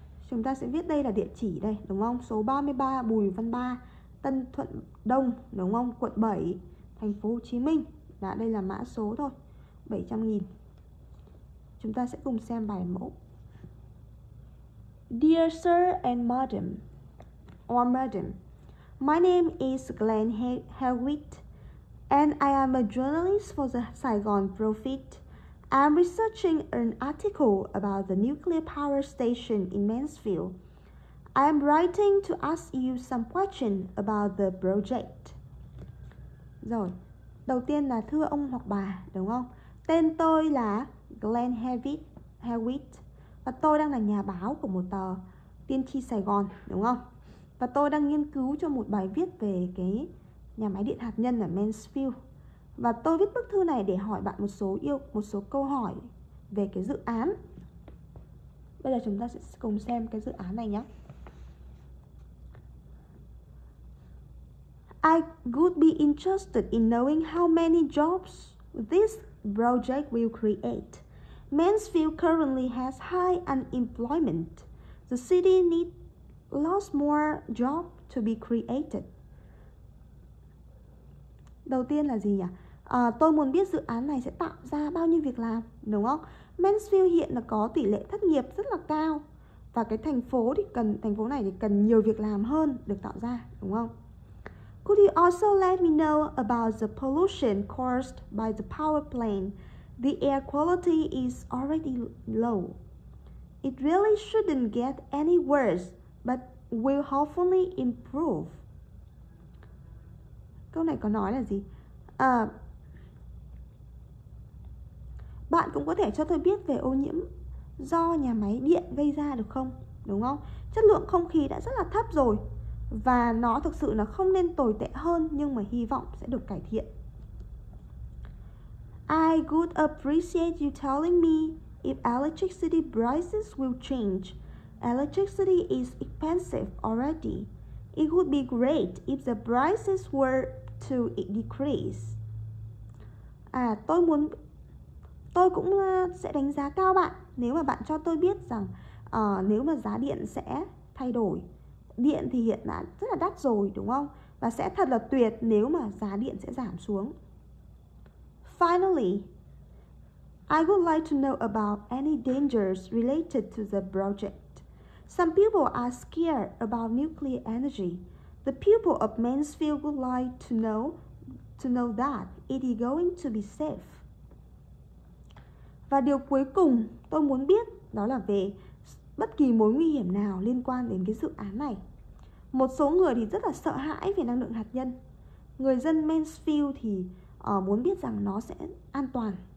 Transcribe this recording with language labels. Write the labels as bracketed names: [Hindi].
[Vietnamese] Chúng ta sẽ viết đây là địa chỉ đây, đúng không? Số 33 Bùi Văn Ba, Tân Thuận Đông, đúng không? Quận 7, thành phố Hồ Chí Minh. Đã, đây là mã số thôi, 700,000. Chúng ta sẽ cùng xem bài mẫu. [English] Dear Sir and Madam, or Madam, my name is Glenn Helwitt, and I am a journalist for the Saigon Prophet. I'm researching an article about the nuclear power station in Mansfield. I'm writing to ask you some question about the project. [Vietnamese] Rồi, đầu tiên là thưa ông hoặc bà, đúng không? Tên tôi là Glenn Helwitt và tôi đang là nhà báo của một tờ Tiên tri Sài Gòn, đúng không? Và tôi đang nghiên cứu cho một bài viết về cái nhà máy điện hạt nhân ở Mansfield. Và tôi viết bức thư này để hỏi bạn một số câu hỏi về cái dự án. Bây giờ chúng ta sẽ cùng xem cái dự án này nhé. [English] I would be interested in knowing how many jobs this project will create. Mansfield currently has high unemployment. The city needs lots more jobs to be created. [Vietnamese] Đầu tiên là gì nhỉ? Tôi muốn biết dự án này sẽ tạo ra bao nhiêu việc làm, đúng không? Mansfield hiện là có tỷ lệ thất nghiệp rất là cao và cái thành phố này thì cần nhiều việc làm hơn được tạo ra, đúng không? [English] Could you also let me know about the pollution caused by the power plant? The air quality is already low. It really shouldn't get any worse, but will hopefully improve. [Vietnamese] Câu này có nói là gì? Bạn cũng có thể cho tôi biết về ô nhiễm do nhà máy điện gây ra được không? Đúng không? Chất lượng không khí đã rất là thấp rồi và nó thực sự là không nên tồi tệ hơn, nhưng mà hy vọng sẽ được cải thiện. [English] I would appreciate you telling me if electricity prices will change. Electricity is expensive already. It would be great if the prices were to decrease. [Vietnamese] Tôi cũng sẽ đánh giá cao bạn nếu mà bạn cho tôi biết rằng nếu mà giá điện sẽ thay đổi. Điện thì hiện đã rất là đắt rồi, đúng không? Và sẽ thật là tuyệt nếu mà giá điện sẽ giảm xuống. [English] Finally, I would like to know about any dangers related to the project. Some people are scared about nuclear energy. The people of Mansfield would like to know that it is going to be safe. [Vietnamese] Và điều cuối cùng tôi muốn biết đó là về bất kỳ mối nguy hiểm nào liên quan đến cái dự án này. Một số người thì rất là sợ hãi về năng lượng hạt nhân. Người dân Mansfield thì muốn biết rằng nó sẽ an toàn.